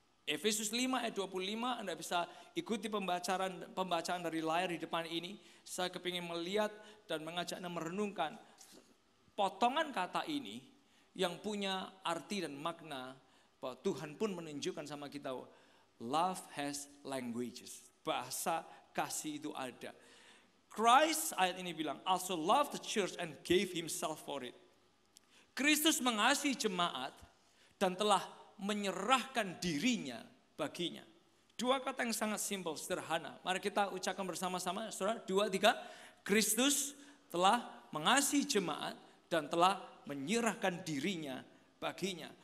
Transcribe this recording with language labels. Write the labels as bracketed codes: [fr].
[id] Efesus 5 ayat 25, Anda bisa ikuti pembacaan dari layar di depan ini. Saya kepingin melihat dan mengajak Anda merenungkan potongan kata ini yang punya arti dan makna bahwa Tuhan pun menunjukkan sama kita [en] love has languages. [id] Bahasa kasih itu ada. [en] Christ [id] ayat ini bilang [en] also loved the church and gave himself for it. [id] Kristus mengasihi jemaat dan telah menyerahkan dirinya baginya. Dua kata yang sangat simpel, sederhana. Mari kita ucapkan bersama-sama, saudara. 2, 3. Kristus telah mengasihi jemaat dan telah menyerahkan dirinya baginya.